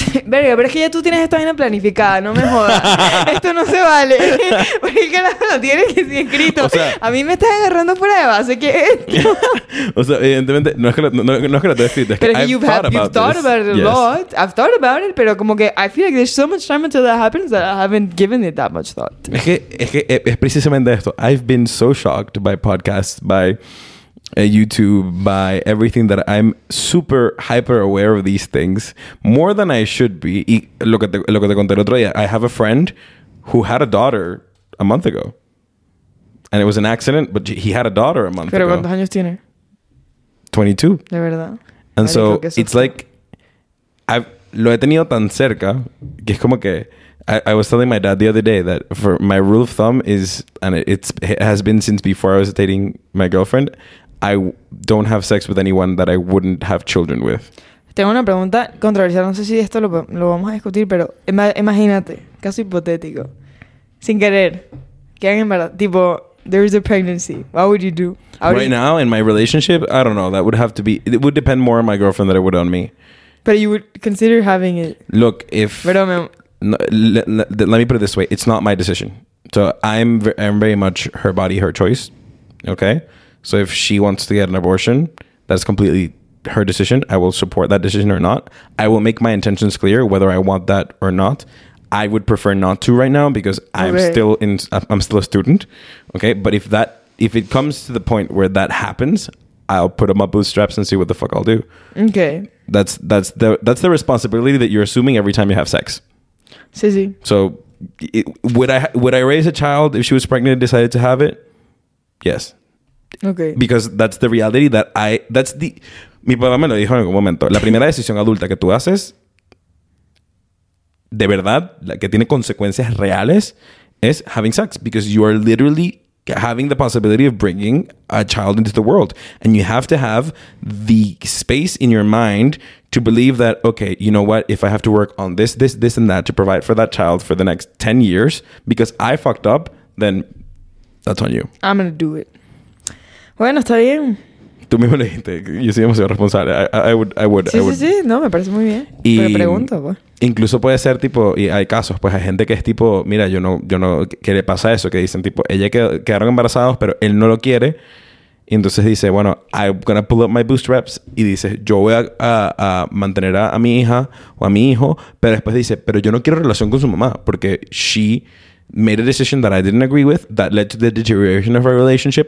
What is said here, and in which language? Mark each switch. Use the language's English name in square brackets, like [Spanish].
[Spanish] Verga, pero es que ya tú tienes esta vaina planificada, no me jodas. Esto no se vale. Porque el carajo lo tiene que ser escrito. O sea, a mí me estás agarrando pruebas, así que. O sea, evidentemente, no es que lo tengo escrito. Es que [English] I've thought about it a lot. I've thought about it, [Spanish] pero como que [English] I feel like there's so much time until that happens that I haven't given it that much thought. [Spanish] Es precisamente esto. [English] I've been so shocked by podcasts, by YouTube, by everything, that I'm super hyper aware of these things more than I should be. [Spanish] Y lo que te conté el otro día, [English] I have a friend who had a daughter a month ago, and it was an accident, but he had a daughter a month [Spanish] ¿Pero [English] ago. [Spanish] Pero ¿cuántos años tiene? 22. De verdad. [English] And so it's like I've [Spanish] lo he tenido tan cerca que es como que [English] I was telling my dad the other day that for my rule of thumb is, and it has been since before I was dating my girlfriend, I don't have sex with anyone that I wouldn't have children with. [Spanish] Tengo una pregunta controversial. No sé si esto lo vamos a discutir, pero imagínate, caso hipotético, sin querer, quedan embarazadas. Tipo, [English] there is a pregnancy. What would you do? Right now, in my relationship, I don't know. That would have to be, it would depend more on my girlfriend than it would on me. But you would consider having it. Look, if... [Spanish] Pero me, [English] no, let me put it this way. It's not my decision. So I'm very much her body, her choice. Okay? So if she wants to get an abortion, that's completely her decision. I will support that decision or not. I will make my intentions clear whether I want that or not. I would prefer not to right now because I'm still a student. Okay? But if it comes to the point where that happens, I'll put on my bootstraps and see what the fuck I'll do. Okay. That's the responsibility that you're assuming every time you have sex. Sissy. So would I raise a child if she was pregnant and decided to have it? Yes. Okay. Because that's the reality that I... That's the... [Spanish] Mi papá me lo dijo en algún momento. La primera decisión adulta que tú haces, de verdad, la que tiene consecuencias reales, es [English] having sex. Because you are literally having the possibility of bringing a child into the world. And you have to have the space in your mind to believe that, okay, you know what? If I have to work on this, this, this, and that to provide for that child for the next 10 years because I fucked up, then that's on you. I'm going to do it. [Spanish] Bueno, está bien. Tú mismo le dijiste. Yo soy demasiado responsable. [English] I would. [Spanish] Sí, [English] I would. [Spanish] Sí. No, me parece muy bien. Y me pregunto, pues. Incluso puede ser, tipo... Y hay casos, pues, hay gente que es tipo... Mira, yo no... ¿Qué le pasa a eso? Que dicen, tipo... Ella quedaron embarazados, pero él no lo quiere. Y entonces dice, bueno, [English] I'm gonna pull up my bootstraps. [Spanish] Y dice, yo voy a mantener a mi hija o a mi hijo. Pero después dice, pero yo no quiero relación con su mamá. Porque [English] she made a decision that I didn't agree with. That led to the deterioration of our relationship.